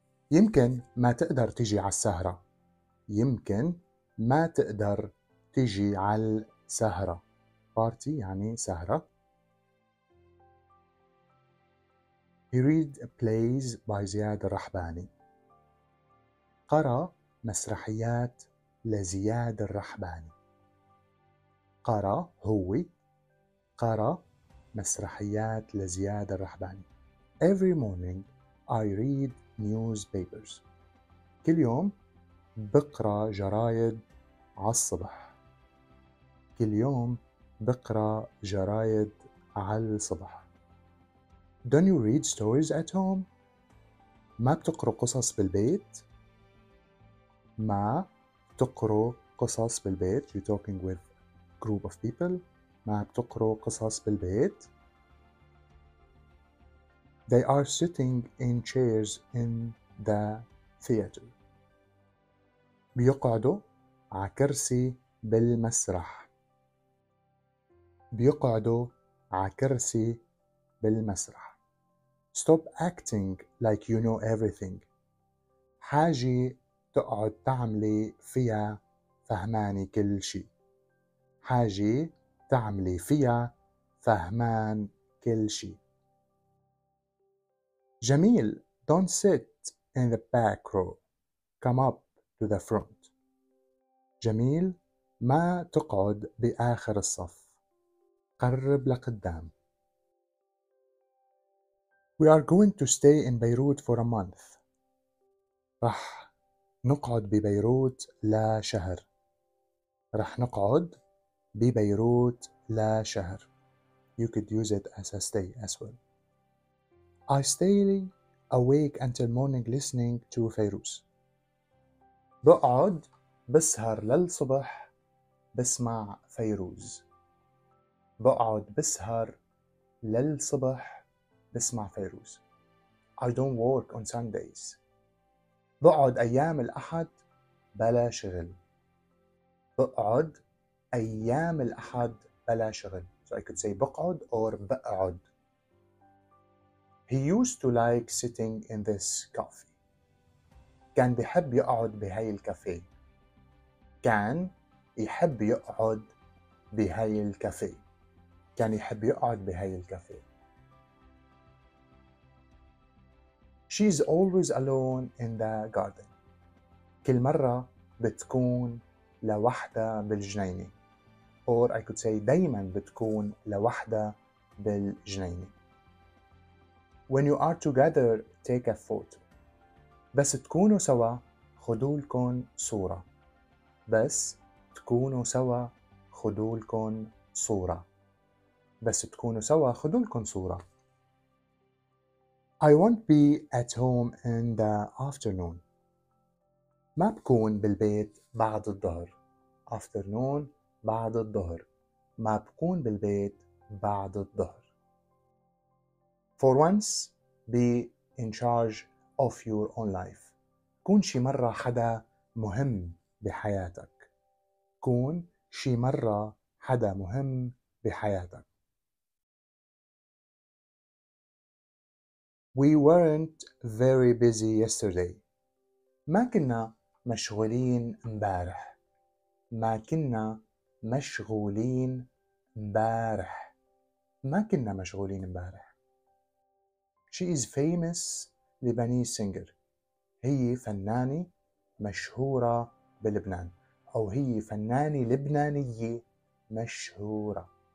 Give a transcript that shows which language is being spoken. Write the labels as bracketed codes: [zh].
[ar] يمكن ما تقدر تيجي على السهرة. يمكن ما تقدر تيجي على السهرة. Party يعني سهرة. [en] He read plays by Ziad Rahbani. [ar] قرأ مسرحيات لزياد الرحباني. قرأ هو. قرأ مسرحيات لزياد الرحباني. [en] Every morning I read newspapers. [ar] كل يوم بقرأ جرايد عالصبح. كل يوم بقرأ جرايد عالصبح. [en] Don't you read stories at home? [ar] ما بتقرأ قصص بالبيت؟ ما بتقرأ قصص بالبيت؟ [en] You're talking with group of people. [ar] ما بتقرأ قصص بالبيت؟ [en] They are sitting in chairs in the theater. [ar] بيقعدوا على كرسي بالمسرح. بيقعدوا على كرسي بالمسرح. [en] Stop acting like you know everything. [ar] حاجة تقعد تعملي فيها فهماني كل شيء. حاجة تعملي فيها فهمان كل شيء. [en] جميل, don't sit in the back row. Come up to the front. جميل, [ar] ما تقعد بآخر الصف. قرب لقدام. [en] We are going to stay in Beirut for a month. [ar] رح نقعد ببيروت لشهر. رح نقعد ببيروت لشهر. [en] You could use it as a stay as well. I stay awake until morning listening to Fairuz. [ar] بقعد بسهر للصبح بسمع فيروز. بقعد بسهر للصبح بسمع فيروز. [en] I don't work on Sundays. [ar] بقعد أيام الأحد بلا شغل. بقعد أيام الأحد بلا شغل. [en] So I could say بقعد or بقعد. He used to like sitting in this cafe. [ar] كان بيحب يقعد بهاي الكافيه. كان يحب يقعد بهاي الكافيه. كان يحب يقعد بهاي الكافيه. [en] She's always alone in the garden. [ar] كل مرة بتكون لوحدها بالجنينة. [en] Or I could say [ar] دايما بتكون لوحدها بالجنينة. [en] When you are together, take a photo. [ar] بس تكونوا سوا خدوا لكم صورة. بس تكونوا سوا خدوا لكم صورة. بس تكونوا سوا خدوا لكم صورة. [en] I won't be at home in the afternoon. [ar] ما بكون بالبيت بعد الظهر. Afternoon بعد الظهر. ما بكون بالبيت بعد الظهر. [en] For once, be in charge of your own life. [ar] كون شي مرة حدا مهم بحياتك. كون شي مرة حدا مهم بحياتك. [en] We weren't very busy yesterday. [ar] ما كنا مشغولين امبارح. ما كنا مشغولين امبارح. ما كنا مشغولين امبارح. [en] She is famous Lebanese singer. [ar] هي فنانة مشهورة بلبنان. أو هي فنانة لبنانية مشهورة.